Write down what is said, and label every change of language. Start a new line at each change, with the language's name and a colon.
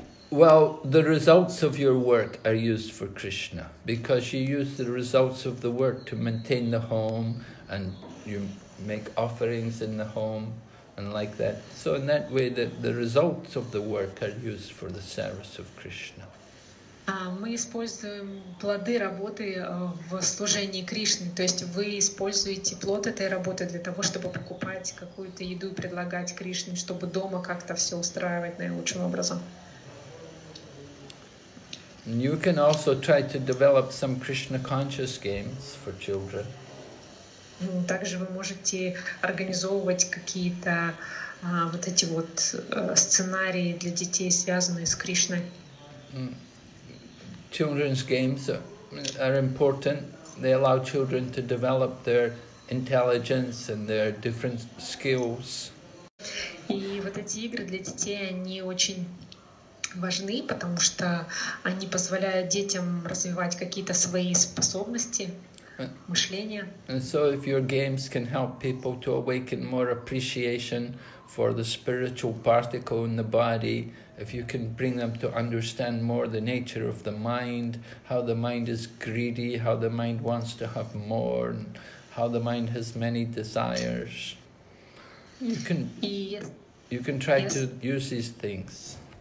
English: Well, the results of your work are used for Krishna, because you use the results of the work to maintain the home, and you make offerings in the home and like that. So in that way, the results of the work are used for the service of Krishna.
Russian: Мы используем плоды работы в служении Кришне. То есть вы используете плод этой работы для того, чтобы покупать какую-то еду и предлагать Кришне, чтобы дома как-то все устраивать наилучшим образом.
English: You can also try to develop some Krishna conscious games for children.
Russian: Также вы можете организовывать какие-то вот эти вот сценарии для детей, связанные с Кришной.
English: Children's games are important. They allow children to develop their intelligence and their different skills.
Russian: И вот эти игры для детей, они очень важны, потому что они позволяют детям развивать какие-то свои способности, мышления.
English: And so if your games can help people to awaken more appreciation for the spiritual particle in the body, if you can bring them to understand more the nature of the mind, how the mind is greedy, how the mind wants to have more, how the mind has many desires, you can try to use these things.